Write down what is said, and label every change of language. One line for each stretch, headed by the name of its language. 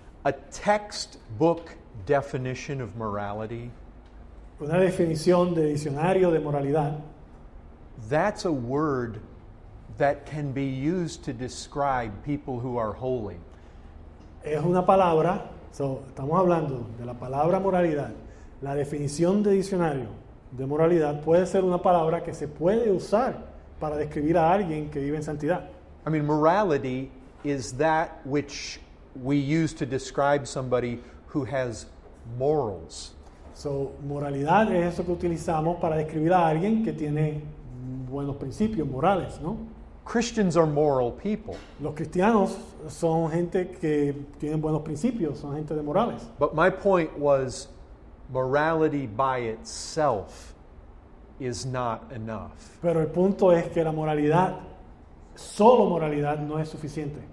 English: A textbook definition of morality.
Spanish: Una definición de diccionario de moralidad.
English: That's a word that can be used to describe people who are holy.
Spanish: Es una palabra. So, estamos hablando de la palabra moralidad. La definición de diccionario de moralidad puede ser una palabra que se puede usar para describir a alguien que vive en santidad.
English: I mean, morality is that which we use to describe somebody who has morals.
Spanish: So, moralidad es eso que utilizamos para describir a alguien que tiene buenos principios morales, ¿no?
English: Christians are moral people.
Spanish: Los cristianos son gente que tienen buenos principios, son gente de morales.
English: But my point was, morality by itself is not enough.
Spanish: Pero el punto es que la moralidad, solo moralidad, no es suficiente.